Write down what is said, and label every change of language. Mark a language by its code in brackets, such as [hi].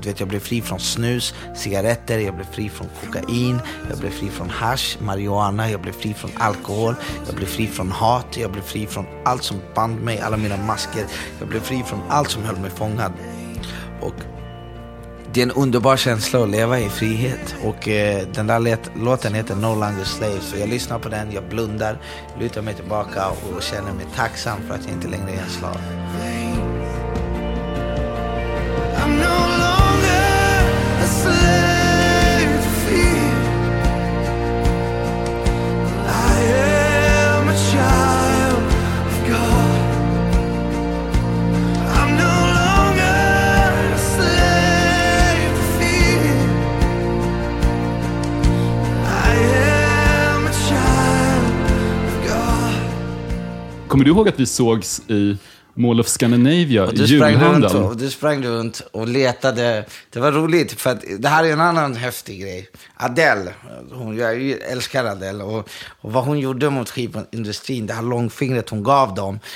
[sv] Du vet, jag blev fri från snus, cigaretter, jag blev fri från kokain, jag blev fri från hash, marijuana, jag blev fri från alkohol, jag blev fri från hat, jag blev fri från allt som band mig, alla mina masker, jag blev fri från allt som höll mig fångad. Och det är en underbar känsla att leva i frihet. Och den där låten heter No Longer Slave. Så jag lyssnar på den, jag blundar, lutar mig tillbaka och känner mig tacksam för att jag inte längre är en slav. [en] I'm no longer a slave to fear. I am a child of God. I'm no longer a slave to fear. I am a child of God. [sv] Kommer du ihåg att vi sågs i Mall of Scandinavia, julhandeln? Du sprang runt och letade. Det var roligt, för att det här är en annan häftig grej. Adele, jag älskar Adele. Och vad hon gjorde mot skivindustrin, det här långfingret hon gav dem.